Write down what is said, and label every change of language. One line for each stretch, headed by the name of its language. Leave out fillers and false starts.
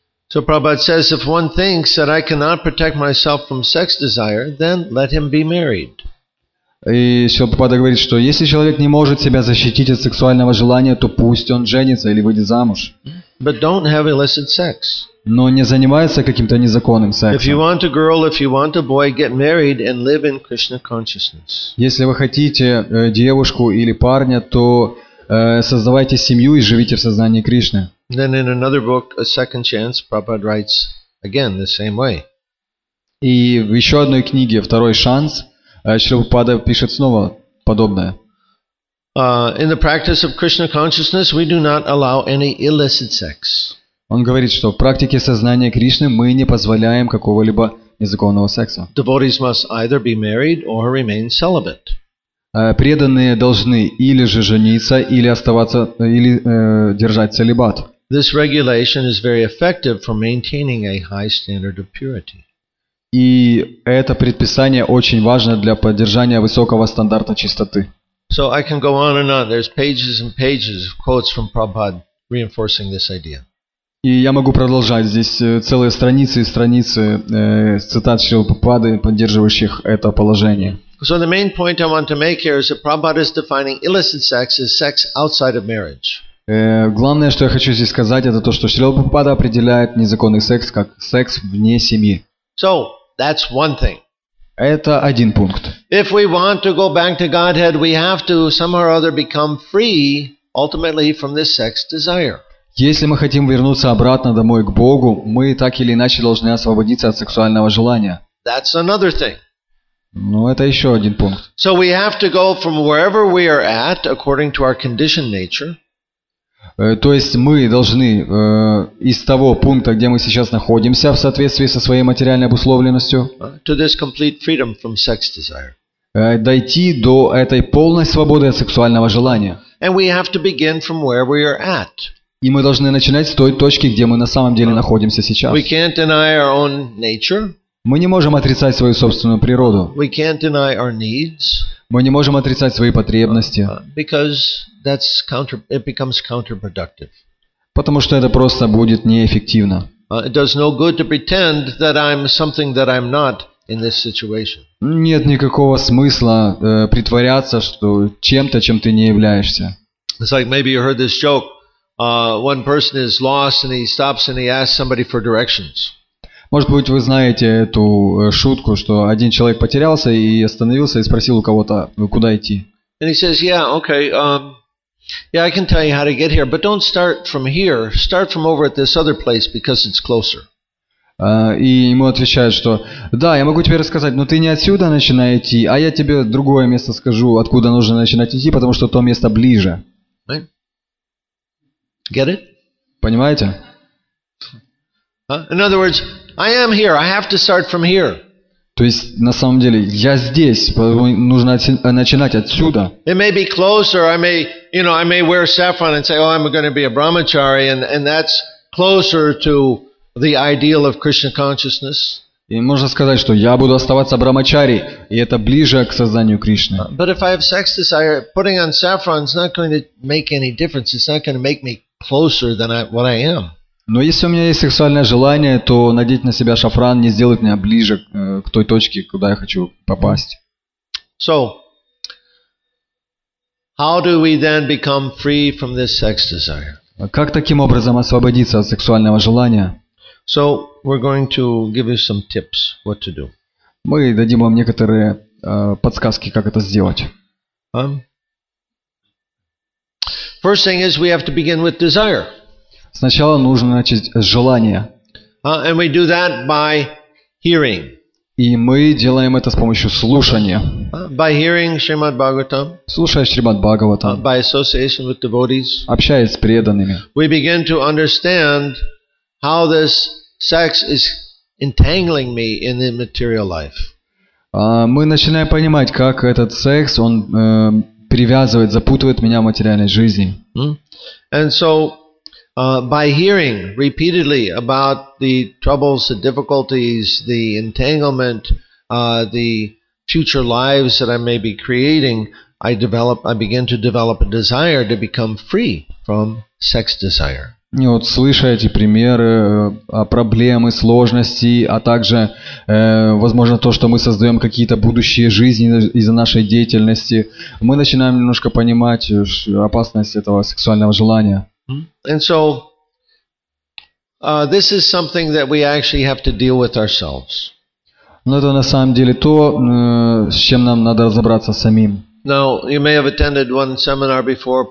English: So Prabhupada says, if one thinks that I cannot protect myself from sex desire, then let him be married.
Russian: И Шрила Прабхупада говорит, что если человек не может себя защитить от сексуального желания, то пусть он женится или выйдет замуж.
English: But don't have illicit sex.
Russian: Но не занимается каким-то незаконным сексом.
English: If you want a girl, if you want a boy, get married and live in Krishna consciousness.
Russian: Если вы хотите девушку или парня, то создавайте семью и живите в сознании Кришны.
English: Then in another book, A Second Chance, Prabhupada writes again the same way.
Russian: И в еще одной книге, Второй шанс, Шрила Прабхупада пишет снова подобное.
English: In the practice of Krishna consciousness, we do not allow any illicit sex.
Russian: Он говорит, что в практике сознания Кришны мы не позволяем какого-либо незаконного секса.
English: Devotees must either be married or remain celibate.
Russian: Преданные должны или же жениться, или оставаться, или держать целибат.
English: This regulation is very effective for maintaining a high standard of purity.
Russian: И это предписание очень важно для поддержания высокого стандарта чистоты.
English: So I can go on and on. There's pages and pages of quotes from Prabhupada reinforcing this idea.
Russian: И я могу продолжать. Здесь целые страницы и страницы цитат Шрилы Прабхупады, поддерживающих это положение.
English: So the main point I want to make here is that Prabhupada is defining illicit sex as sex outside of marriage.
Russian: Главное, что я хочу здесь сказать, это то, что Шрила Прабхупада определяет незаконный секс как секс вне семьи.
English: So, that's one thing.
Russian: Это один пункт.
English: If we want to go back to Godhead, we have to somehow or other become free ultimately from this sex desire.
Russian: Если мы хотим вернуться обратно домой к Богу, мы так или иначе должны освободиться от сексуального желания.
English: That's another thing.
Russian: Ну, это еще один пункт.
English: So we have to go from wherever we are at according to our conditioned nature.
Russian: То есть мы должны из того пункта, где мы сейчас находимся, в соответствии со своей материальной обусловленностью,
English: to this complete freedom from sex desire.
Russian: Дойти до этой полной свободы от сексуального желания.
English: And we have to begin from where we are at.
Russian: И мы должны начинать с той точки, где мы на самом деле находимся сейчас.
English: We can't deny our own nature.
Russian: Мы не можем отрицать свою собственную природу.
English: We can't deny our needs.
Russian: Мы не можем отрицать свои потребности.
English: Because that's counter, it becomes counterproductive.
Russian: Потому что это просто будет неэффективно.
English: It does no good to pretend that I'm something that I'm not in this situation.
Russian: Нет никакого смысла притворяться, что чем-то, чем ты не являешься.
English: It's like maybe you heard this joke. One person is lost and he stops and he asks somebody for directions.
Russian: Может быть, вы знаете эту шутку, что один человек потерялся и остановился и спросил у кого-то, куда идти.
English: And he says, yeah, okay, yeah, I can tell you how to get here, but don't start from here. Start from over at this other place because it's closer.
Russian: И ему отвечают, что да, я могу тебе рассказать, но ты не отсюда начинай идти, а я тебе другое место скажу, откуда нужно начинать идти, потому что то место ближе.
English: Get it?
Russian: Понимаете?
English: In other words, I am here. I have to start from here.
Russian: То есть на самом деле я здесь, нужно начинать отсюда.
English: It may be closer. I may, you know, I may wear saffron and say, "Oh, I'm going to be a brahmachari," and that's closer to the ideal of Krishna consciousness.
Russian: И можно сказать, что я буду оставаться брахмачари, и это ближе к сознанию Кришны.
English: But if I have sex desire, putting on saffron is not going to make any difference. It's not going to make me closer than what I am.
Russian: Но если у меня есть сексуальное желание, то надеть на себя шафран не сделает меня ближе к той точке, куда я хочу попасть.
English: So, how do we then become free from this sex desire?
Russian: Как таким образом освободиться от сексуального желания?
English: So, we're going to give you some tips what to do.
Russian: Мы дадим вам некоторые подсказки, как это сделать.
English: First thing is we have to begin with desire.
Russian: Сначала нужно начать с желания.
English: And we do that by hearing.
Russian: И мы делаем это с помощью слушания.
English: By hearing Shrimad Bhagavatam.
Russian: Слушая Шримад Бхагаватам.
English: By association with devotees.
Russian: Общаясь с преданными.
English: We begin to understand how this sex is entangling me in the material life.
Russian: Мы начинаем понимать, как этот секс, он привязывает, запутывает меня в материальной жизни.
English: And so, by hearing repeatedly about the troubles, the difficulties, the entanglement, the future lives that I may be creating, I begin to develop a desire to become free from sex desire.
Russian: И вот слыша эти примеры, проблемы, сложности, а также, возможно, то, что мы создаем какие-то будущие жизни из-за нашей деятельности, мы начинаем немножко понимать опасность этого сексуального желания.
English: And so, this is something that we actually have to deal with ourselves.
Russian: Но это на самом деле то, с чем нам надо разобраться самим.
English: Now, you may have attended one seminar before.